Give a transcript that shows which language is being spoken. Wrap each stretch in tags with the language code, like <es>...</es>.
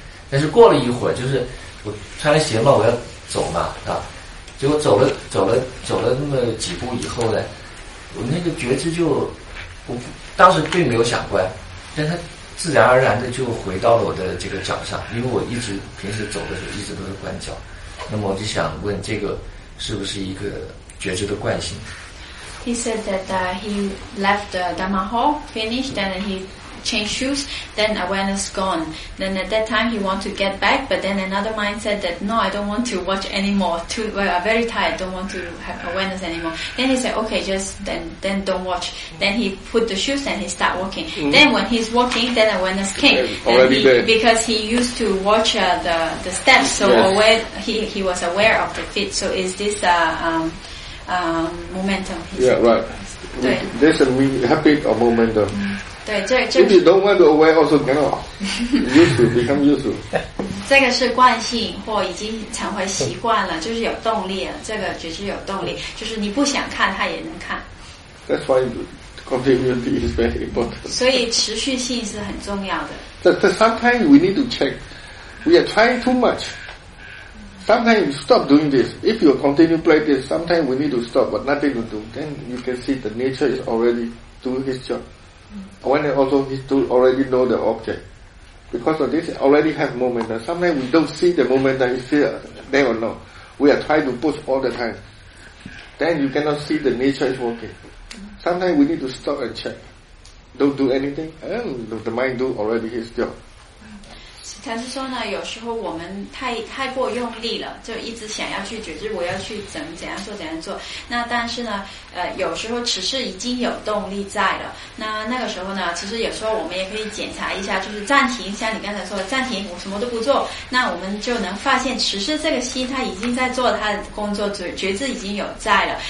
<zh>但是过了一会儿，就是我穿鞋嘛，我要走嘛啊，结果走了那么几步以后呢，我那个觉知就我当时并没有想关，但他。自然而然的就回到了我的这个脚上，因为我一直平时走的时候一直都是关脚，那么我就想问这个是不是一个觉知的惯性。</zh> <en>He said that he left the Dhamma hall finished and he changed shoes, then awareness gone, then at that time he want to get back, but then another mind said that no, I don't want to watch anymore, very tired, don't want to have awareness anymore. Then he said okay, just then don't watch, then he put the shoes and he start walking. Mm-hmm. Then when he's walking, then awareness came, yeah, already there. Because he used to watch the steps, so yes. he was aware of the feet. So is this momentum? Yeah, right. This is habit or momentum. Mm-hmm.</en> <zh>对，这</zh> <en>if you don't want to away also cannot useful, become useful.</en> <zh>这个是惯性或已经成为习惯了，就是有动力了，这个觉知有动力，就是你不想看它也能看。</zh> <en>That's why continuity is very important.</en> <zh>所以持续性是很重要的。</zh> <en>But sometimes we need to check. We are trying too much. Sometimes you stop doing this. If you continue play this, sometimes we need to stop but nothing to do. Then you can see the nature is already doing his job.When also he still already know the object. because of this already have moment. Sometimes we don't see the moment that is here, they will know. We are trying to push all the time. Then you cannot see the nature is working. Sometimes we need to stop and check. Don't do anything, and the mind do already his job.</en> <zh>禅师说呢，有时候我们太过用力了，就一直想要去觉知，我要去怎样做怎样做。那但是呢，有时候持是已经有动力在了。那个时候呢，其实有时候我们也可以检查一下，就是暂停，像你刚才说的暂停，我什么都不做，那我们就能发现持是这个心它已经在做它的工作，觉知已经有在了。</zh>